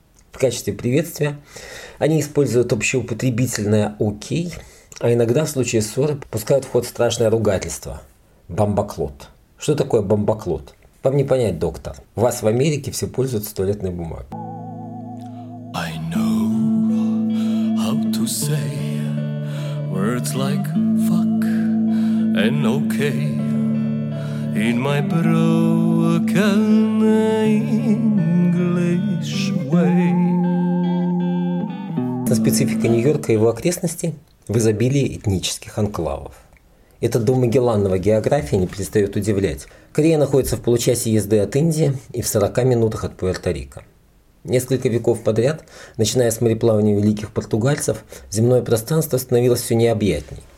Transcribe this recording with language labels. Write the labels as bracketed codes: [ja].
[ru] В качестве приветствия они используют общеупотребительное «Окей», а иногда в случае ссоры пускают в ход страшное ругательство «Бамбаклот». Что такое «бамбаклот»? Вам не понять, доктор. У вас в Америке все пользуются туалетной бумагой. [en] I know how to say words like fuck. And okay, in my broken English way. [ru] Это специфика Нью-Йорка и его окрестностей в изобилии этнических анклавов. Этот дом Магелланова географии не перестает удивлять. Корея находится в получасе езды от Индии и в 40 минутах от Пуэрто-Рико. Несколько веков подряд, начиная с мореплавания великих португальцев, земное пространство становилось все необъятней.